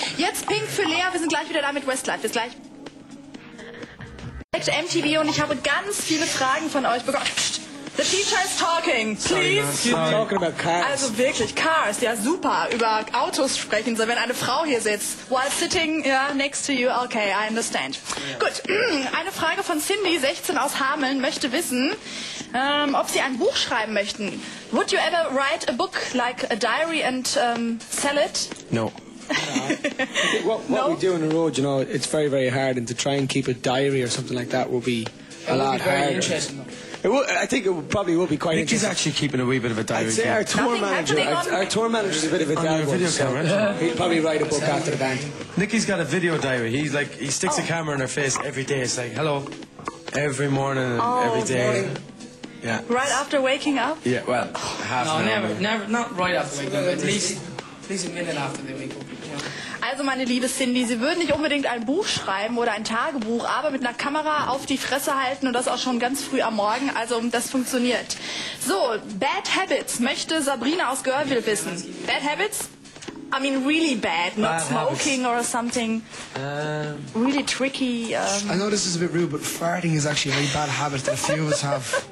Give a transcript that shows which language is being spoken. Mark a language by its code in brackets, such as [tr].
[de] Jetzt Pink für Lea, wir sind gleich wieder da mit Westlife. Bis gleich. MTV und ich habe ganz viele Fragen von euch bekommen. [en] Psst. The teacher is talking, please. Sorry, sorry. Talking about cars. [de] Also wirklich, Cars, ja super. Über Autos sprechen, so wenn eine Frau hier sitzt. [en] While sitting yeah, next to you, okay, I understand. Yeah. [de] Gut, eine Frage von Cindy, 16 aus Hameln, möchte wissen, ob Sie ein Buch schreiben möchten. [en] Would you ever write a book like a diary and sell it? No. what we do on the road, you know, it's very, very hard. And to try and keep a diary or something like that will be a lot be very harder. Interesting. I think it will be quite interesting. He's actually keeping a wee bit of a diary. I'd say our tour manager. Our tour manager's a bit of a diary. On your video camera. So he'd probably write a book after the band. Nicky's got a video diary. He's like he sticks a camera in her face every day. It's like hello, every morning, every day. Morning. Yeah. Right after waking up. Yeah. Well, half no, an never, hour. Never, not right after. At least a minute after they wake up. [de] Also meine liebe Cindy, Sie würden nicht unbedingt ein Buch schreiben oder ein Tagebuch, aber mit einer Kamera auf die Fresse halten und das auch schon ganz früh am Morgen. Also das funktioniert. So, Bad Habits möchte Sabrina aus Görwil wissen. [en] Bad Habits? I mean really bad, not smoking or something. Really tricky. I know this is a bit rude, but farting is actually a really bad habit that a few of us have.